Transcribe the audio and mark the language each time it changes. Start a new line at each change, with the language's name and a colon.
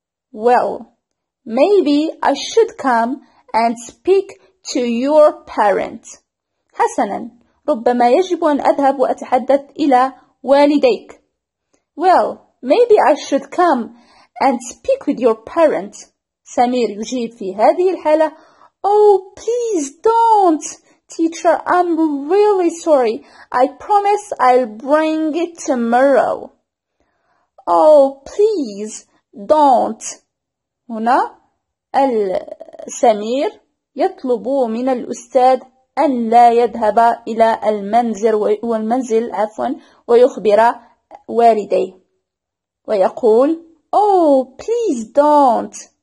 English: Well, maybe I should come and speak to your parents.
Arabic: حسنا ربما يجب أن أذهب وأتحدث إلى والديك.
English: Well, maybe I should come and speak with your parents.
Arabic: سمير يجيب في هذه الحالة
English: Oh, please don't. Teacher, I'm really sorry. I promise I'll bring it tomorrow. Oh, please, don't.
Arabic: هنا السمير يطلب من الأستاذ أن لا يذهب إلى المنزل والمنزل عفوا ويخبر والديه ويقول
English: Oh, please don't.